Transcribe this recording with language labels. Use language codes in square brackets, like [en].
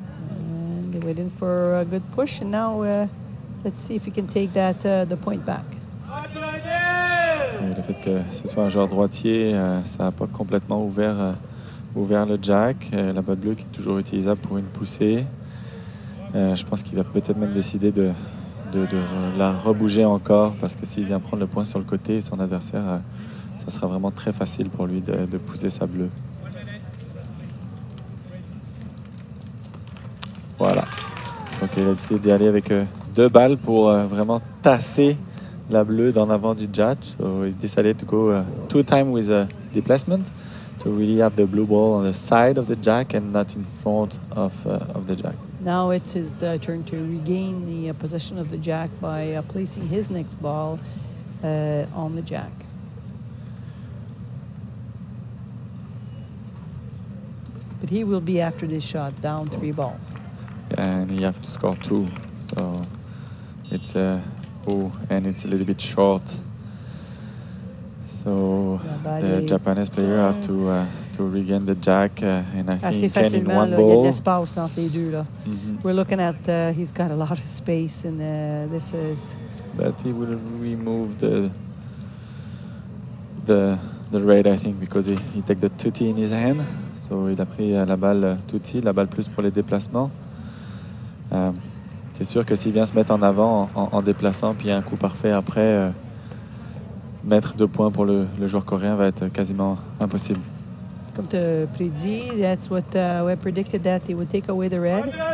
[en] And they're waiting for a good push, and now let's see if he can take that the point back. [fr] Le fait que ce soit un joueur droitier, ça a pas complètement ouvert. Ouvert le jack, la botte bleue qui est toujours utilisable pour une poussée. Je pense qu'il va peut-être même décider de la rebouger encore, parce que s'il vient prendre le point sur le côté, son adversaire, ça sera vraiment très facile pour lui de pousser sa bleue. Voilà. Donc il a décidé d'y aller avec deux balles pour vraiment tasser la bleue d'en avant du jack. [en] So he decided to go two time with a displacement. To really have the blue ball on the side of the jack and not in front of the jack. Now it's his turn to regain the possession of the jack by placing his next ball on the jack. But he will be after this shot down three balls. And he have to score two, so it's and it's a little bit short. So the Japanese player have to regain the jack, and I think can in one ball. We're looking at he's got a lot of space, and this is. But he will remove the red, I think, because he take the tutti in his hand. So [fr] il a pris la balle tutti, la balle plus pour les déplacements. C'est sûr que s'il vient se mettre en avant en déplaçant, puis un coup parfait après. Mettre deux points pour le joueur coréen va être quasiment impossible. Comme tu prédis, [en] that's what we predicted that he would take away the red.